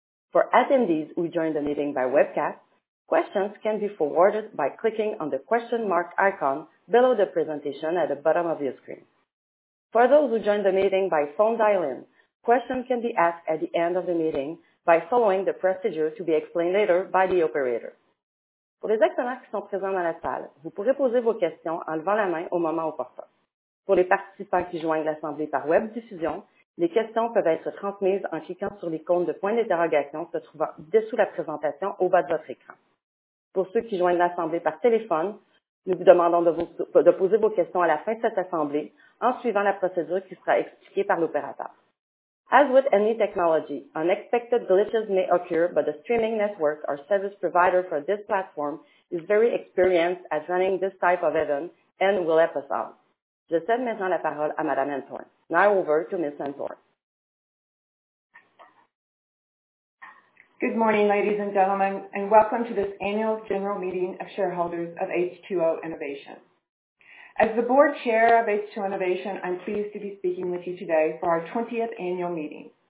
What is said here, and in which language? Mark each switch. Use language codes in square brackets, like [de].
[en] For attendees who join the meeting by webcast, questions can be forwarded by clicking on the question mark icon below the presentation at the bottom of your screen. For those who join the meeting by phone dial-in, questions can be asked at the end of the meeting by following the procedure to be explained later by the operator. [fr] Pour les actionnaires qui sont présents dans la salle, vous pourrez poser vos questions en levant la main au moment opportun. Pour les participants qui joignent l'Assemblée par web diffusion, les questions peuvent être transmises en cliquant sur l'icône de point d'interrogation se trouvant dessous la présentation au bas de votre écran. Pour ceux qui joignent l'Assemblée par téléphone, nous vous demandons de poser vos questions à la fin de cette Assemblée en suivant la procédure qui sera expliquée par l'opérateur. [en] As with any technology, unexpected glitches may occur, but the streaming network or service provider for this platform is very experienced at running this type of event and will help us out. [fr] Je cède maintenant la parole à Madame Antoine. [en] Now over to Ms. Antoine. Good morning, ladies and gentlemen, and welcome to this annual general meeting of shareholders of H2O Innovation. As the board chair of H2O Innovation, I'm pleased to be speaking with you today for our 20th annual meeting.